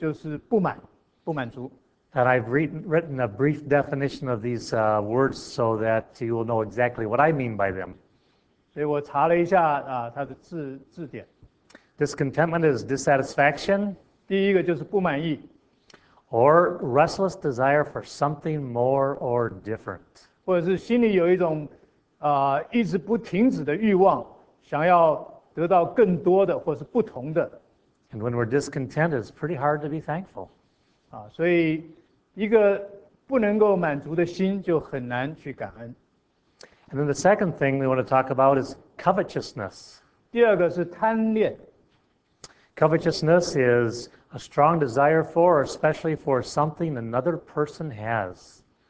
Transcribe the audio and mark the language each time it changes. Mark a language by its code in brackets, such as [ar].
[zh] 第一个跟感恩作对的这个敌人就是不满足。 [en] And I've written a brief definition of these words so that you will know exactly what I mean by them. [zh] 所以我查了一下它的字典。 [en] Discontentment is dissatisfaction. [zh] 第一个就是不满意, [en] or restless desire for something more or different. [zh] 或者是心里有一种一直不停止的欲望，想要得到更多的或是不同的。 [en] And when we're discontent, it's pretty hard to be thankful. [zh] 所以一个不能够满足的心就很难去感恩。 [en] And then the second thing we want to talk about is covetousness. [zh] 第二个是贪恋。 [en] Covetousness is a strong desire for, especially for something another person has.